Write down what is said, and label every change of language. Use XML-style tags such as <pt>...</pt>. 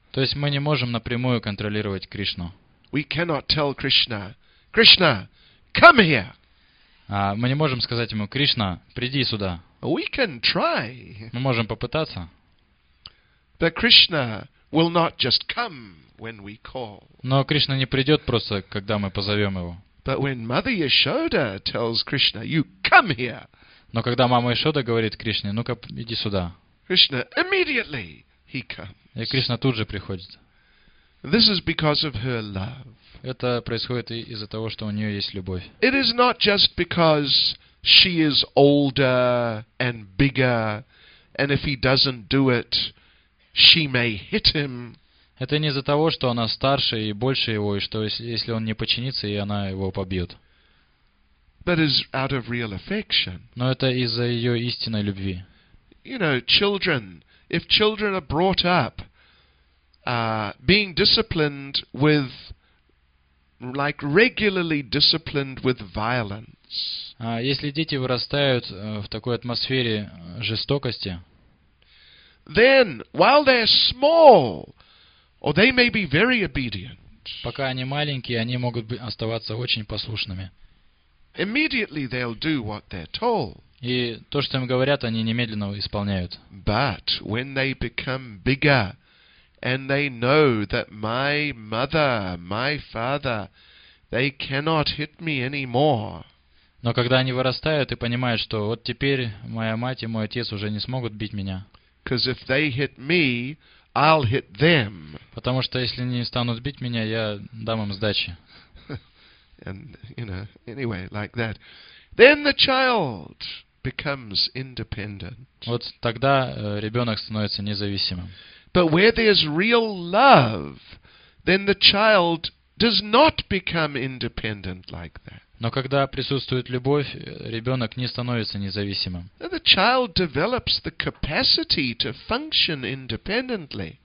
<ru>То есть мы не можем напрямую контролировать Кришну.</ru> <en>We cannot tell Krishna, Krishna, come here.</en> <ru>Мы не можем сказать ему: Кришна, приди сюда.</ru> <en>We can try.</en> <ru>Мы можем попытаться.</ru> <en>But Krishna will not just come when we call.</en> <ru>Но Кришна не придет просто, когда мы позовем его.</ru> <en>But when Mother Yashoda tells Krishna, you come here.</en> <ru>Но когда мама Яшода говорит Кришне: ну-ка, иди сюда.</ru> <en>Krishna immediately he comes.</en> <ru>И Кришна тут же приходит.</ru> <en>This is because of her love.</en> <ru>Это происходит из-за того, что у нее есть любовь.</ru> <en>It is not just because she is older and bigger, and if he doesn't do it, she may hit him.</en> <ru>Это не из-за того, что она старше и больше его, и что если он не подчинится, и она его побьет.</ru> <en>But is out of real affection.</en> <ru>Но это из-за ее истинной любви.</ru> <en>You know, children. If children are brought up being disciplined with like regularly disciplined with violence.</en> <ru>А если дети вырастают в такой атмосфере жестокости,</ru> <en>then while they're small, or they may be very obedient.</en> <ru>Пока они маленькие, они могут оставаться очень послушными.</ru> <en>Immediately they'll do what they're told.</en> <ru>И то, что им говорят, они немедленно исполняют.</ru> <en>But when they become bigger, and they know that my mother, my father, they cannot hit me anymore.</en> <ru>Но когда они вырастают и понимают, что вот теперь моя мать и мой отец уже не смогут бить меня.</ru> <en>Because if they hit me, I'll hit them.</en> <ru>Потому что если они станут бить меня, я дам им сдачи.</ru> <en>And you know, anyway, like that. Then the child becomes independent.</en> <ru>Вот тогда ребенок становится независимым.</ru> <en>But where there's real love, then the child does not become independent like that.</en> <ru>Но когда присутствует любовь, ребенок не становится независимым.</ru> <en>And the child develops the capacity to function independently.</en>